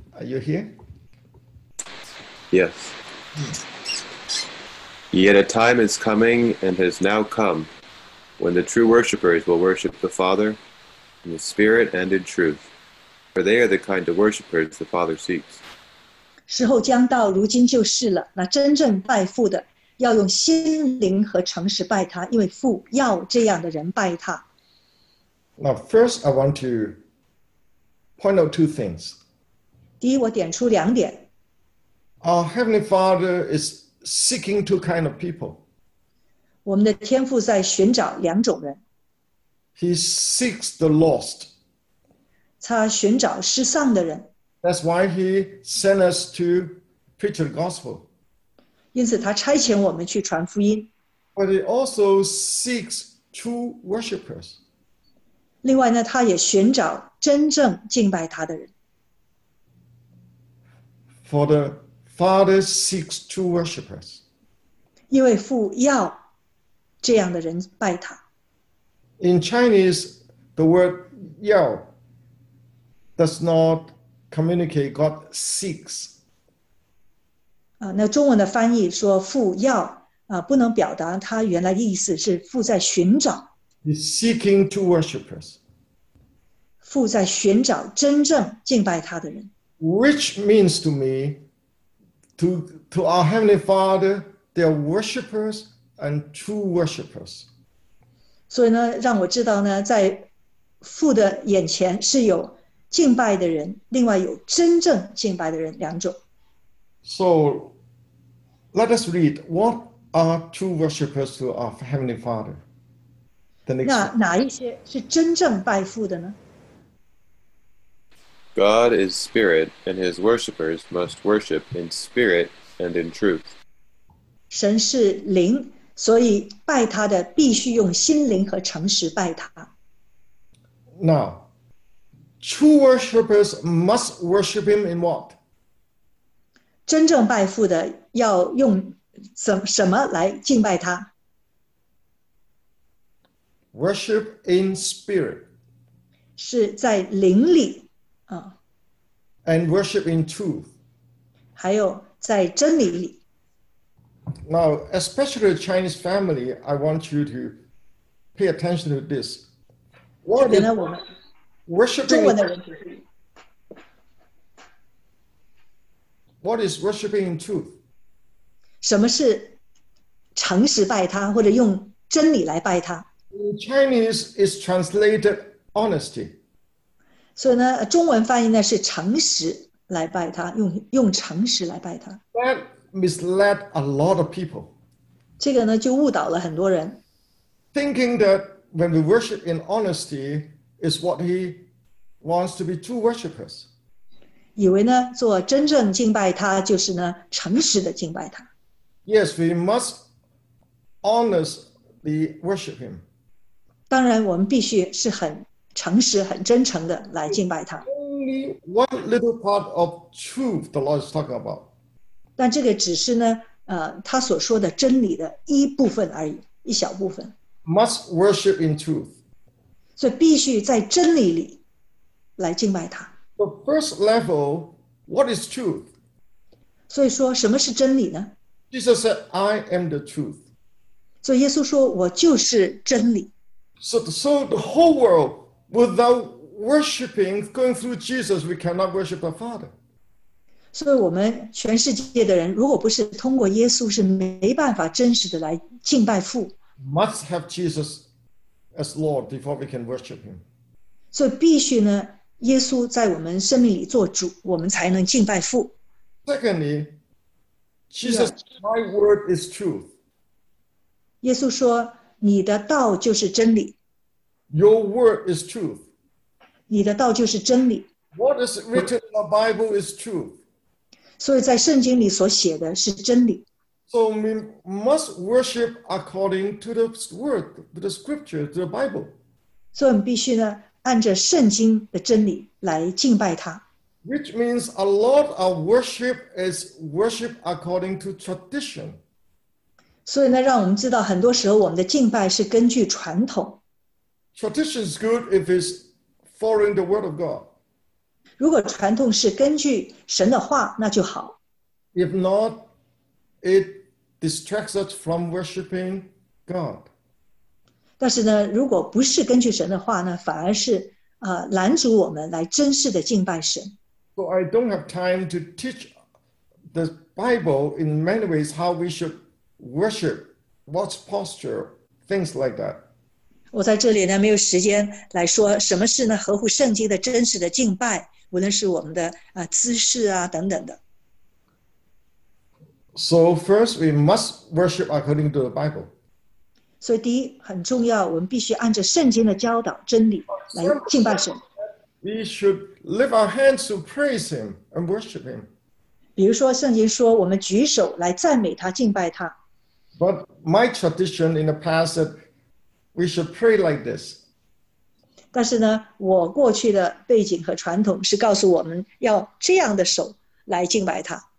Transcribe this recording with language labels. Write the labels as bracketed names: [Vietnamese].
[English] Are you here? Yes. Yet a time is coming and has now come when the true worshippers will worship the Father in the Spirit and in truth, for they are the kind of worshippers the Father seeks. [Chinese] 时候将到，如今就是了。那真正拜父的，要用心灵和诚实拜他，因为父要这样的人拜他。 [English] Now, first, I want to point out two things. [Chinese] 第一，我点出两点。 [English] Our Heavenly Father is. Seeking two kind of people. [Chinese] 我们的天父在寻找两种人。 [English] He seeks the lost. [Chinese] 他寻找失丧的人。 [English] That's why he sent us to preach the gospel. [Chinese] 因此他差遣我们去传福音。 [English] But he also seeks true worshippers. [Chinese] 另外呢，他也寻找真正敬拜他的人。 [English] For the Father seeks true worshippers. [Chinese] 因为父要这样的人拜他。 [English] In Chinese, the word 要 does not communicate God seeks. [Chinese] 那中文的翻译说父要不能表达他原来意思是父在寻找。 [English] He's seeking true worshippers. [Chinese] 父在寻找真正敬拜他的人。 [English] Which means to me,To our Heavenly Father, they are worshippers and true worshippers. [Chinese] 所以呢，让我知道呢，在父的眼前是有敬拜的人，另外有真正敬拜的人两种。 [English] So, let us read what are true worshippers to our Heavenly Father. [Chinese] 那哪一些是真正拜父的呢？ [English] God is spirit, and his worshippers must worship in spirit and in truth. [Chinese] 神是灵，所以拜他的必须用心灵和诚实拜他。 [English] Now, true worshippers must worship him in what? [Chinese] 真正拜父的要用什么来敬拜他？ [English] Worship in spirit. [Chinese] 是在灵里。 [English] And worship in truth. [Chinese] 还有在真理里。 [English] Now, especially the Chinese family, I want you to pay attention to this. What is worshiping? What is worshiping in truth? [Chinese] 什么是诚实拜他，或者用真理来拜他？ [English] In Chinese is translated honesty. [Chinese] 所以呢，中文翻译呢是诚实来拜他，用诚实来拜他。 [English] That misled a lot of people. [Chinese] 这个呢就误导了很多人。 [English] Thinking that when we worship in honesty is what he wants to be true worshippers. [Chinese] 以为呢做真正敬拜他就是呢诚实的敬拜他。 [English] Yes, we must honestly worship him. [Chinese] 当然我们必须是很诚实很真诚的来敬拜他。 [English] Only one little part of truth the Lord is talking about. [Chinese] 但这个只是呢他所说的真理的一部分而已，一小部分。 [English] Must worship in truth. [Chinese] 所以必须在真理里来敬拜他。 [English] The first level, what is truth? [Chinese] 所以说什么是真理呢？ [English] Jesus said, I am the truth. [Chinese] 所以耶稣说我就是真理。 [English] So the whole world, without worshiping, going through Jesus, we cannot worship the Father. [Chinese] 所以我们全世界的人如果不是通过耶稣是没办法真实的来敬拜父。 [English] Must have Jesus as Lord before we can worship him. [Chinese] 所以必须呢耶稣在我们生命里做主，我们才能敬拜父。 [English] Secondly, Jesus, my word is truth. [Chinese] 耶稣说，你的道就是真理。 [English] Your word is truth. [Chinese] 你的道就是真理。 [English] What is written in the Bible is truth. [Chinese] 所以在圣经里所写的是真理。 [English] So we must worship according to the word, to the scripture, to the Bible. [Chinese] 所以我们必须呢按着圣经的真理来敬拜他。 [English] Which means a lot of worship is worship according to tradition. [Chinese] 所以呢让我们知道很多时候我们的敬拜是根据传统。 [English] Tradition is good if it's following the word of God. [Chinese] 如果传统是根据神的话那就好。 [English] If not, it distracts us from worshiping God. [Chinese] 但是呢，如果不是根据神的话呢，反而是拦阻我们来真实的敬拜神。 [English] So I don't have time to teach the Bible in many ways how we should worship, what's posture, things like that. [Chinese] 我在这里呢没有时间来说什么是呢合乎圣经的真实的敬拜，无论是我们的姿势啊等等的。 [English] So first, we must worship according to the Bible. [Chinese] 所以第一很重要，我们必须按着圣经的教导真理来敬拜神。 [English] We should lift our hands to praise him and worship him. [Chinese] 比如说圣经说我们举手来赞美他敬拜他。 [English] But my tradition in the past said we should pray like this. [Chinese] 但是呢我过去的背景和传统是告诉我们要这样的手来敬拜他。